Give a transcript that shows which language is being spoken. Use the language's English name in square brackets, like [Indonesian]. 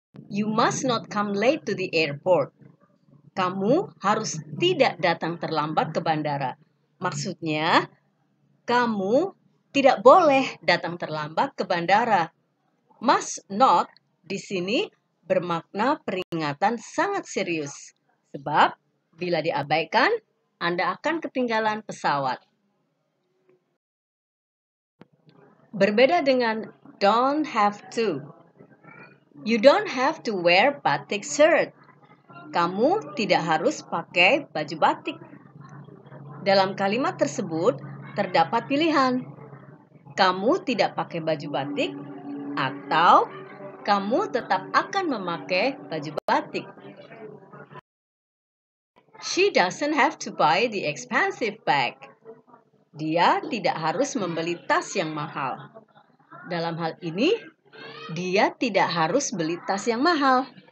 [English] You must not come late to the airport. [Indonesian] Kamu harus tidak datang terlambat ke bandara. Maksudnya, kamu tidak boleh datang terlambat ke bandara. Must not, di sini bermakna peringatan sangat serius. Sebab, bila diabaikan, Anda akan ketinggalan pesawat. Berbeda dengan [English] don't have to. You don't have to wear batik shirt. [Indonesian] Kamu tidak harus pakai baju batik. Dalam kalimat tersebut, terdapat pilihan. Kamu tidak pakai baju batik atau kamu tetap akan memakai baju batik. [English] She doesn't have to buy the expensive bag. [Indonesian] Dia tidak harus membeli tas yang mahal. Dalam hal ini, dia tidak harus beli tas yang mahal.